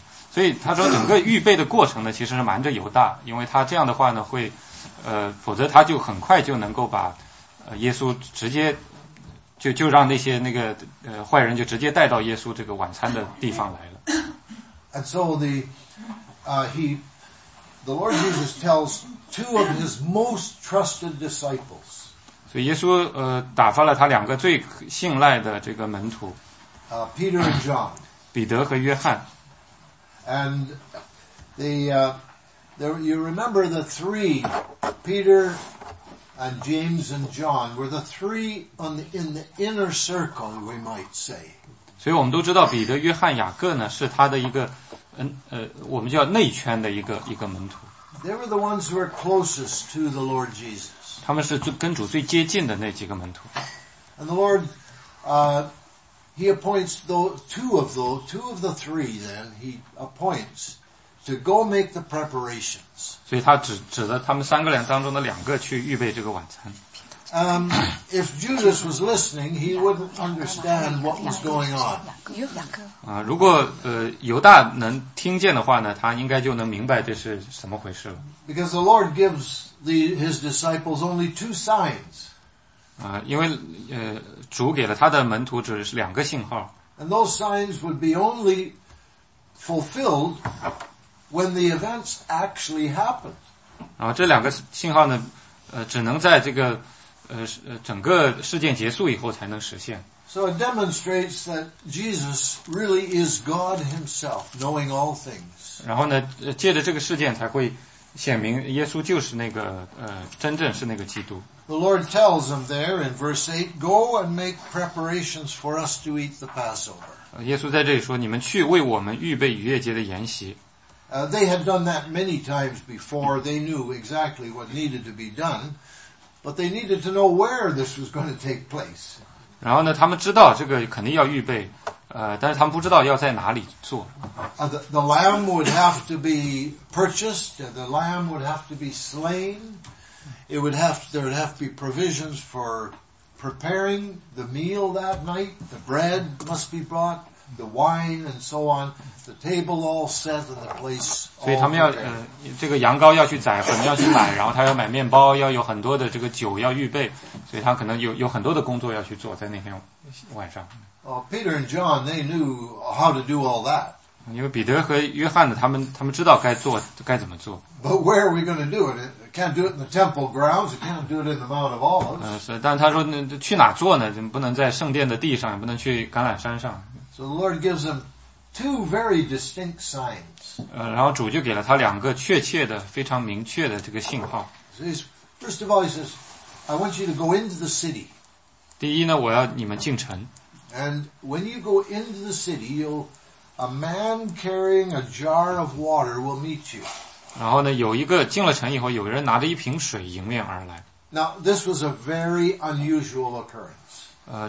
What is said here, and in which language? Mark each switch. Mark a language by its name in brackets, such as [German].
[Chinese] 所以他说整个预备的过程呢，其实是瞒着犹大，因为他这样的话呢，会，否则他就很快就能够把，耶稣直接。就让那些那个坏人就直接带到耶稣这个晚餐的地方来了。 [English] And so the Lord Jesus tells two of his most trusted disciples. [Chinese] 所以耶稣打发了他两个最信赖的这个门徒。 [English] Peter and John. [Chinese] 彼得和约翰。 [English] And you remember the three, Peter,And James and John were the three in the inner circle, we might say. [Chinese] 所以我们都知道彼得、约翰、雅各呢是他的一个我们叫内圈的一个门徒。 [English] They were the ones who were closest to the Lord Jesus. [Chinese] 他们是跟主最接近的那几个门徒。 [English] And the Lord, he appoints two of the three then, he appoints to go make the preparations. [Chinese] 所以他指着他们三个人当中的两个去预备这个晚餐。 [English] If Judas was listening, he wouldn't understand what was going on. [Chinese] 如果犹大能听见的话呢，他应该就能明白这是什么回事了。 [English] Because the Lord gives his disciples only two signs. [Chinese] 因为主给了他的门徒只是两个信号。 [English] And those signs would be only fulfilled when the events actually happened. [Chinese] 然后这两个信号呢，只能在这个整个事件结束以后才能实现。 [English] So it demonstrates that Jesus really is God himself, knowing all things. [Chinese] 然后呢，借着这个事件才会显明耶稣就是那个真正是那个基督。 [English] The Lord tells them there in verse 8, go and make preparations for us to eat the Passover. [Chinese] 耶稣在这里说，你们去为我们预备逾越节的筵席。 [English] They had done that many times before. They knew exactly what needed to be done. But they needed to know where this was going to take place. [Chinese] 然后呢，他们知道这个肯定要预备，但是他们不知道要在哪里做。 [English] The lamb would have to be purchased. The lamb would have to be slain. There would have to be provisions for preparing the meal that night. The bread must be brought. The wine and so on. The table all set in the place. [Chinese] 所以他们要这个羊羔要去宰，粉要去买，然后他要买面包，要有很多的这个酒要预备，所以他可能有很多的工作要去做在那天晚上。 [English] Peter and John, they knew how to do all that. [Chinese] 因为彼得和约翰呢，他们知道该怎么做。 [English] But where are we going to do it? Can't do it in the temple grounds. Can't do it in the Mount of Olives. [Chinese] 但他说去哪做呢？不能在圣殿的地上，也不能去橄榄山上。 [English] So the Lord gives them two very distinct signs. [Chinese] 然后主就给了他两个确切的、非常明确的这个信号。 [English] So first of all, he says, "I want you to go into the city." [Chinese] 第一呢，我要你们进城。 [English] And when you go into the city, a man carrying a jar of water will meet you. [Chinese] 然后呢，有一个进了城以后，有人拿着一瓶水迎面而来。 [English] Now this was a very unusual occurrence.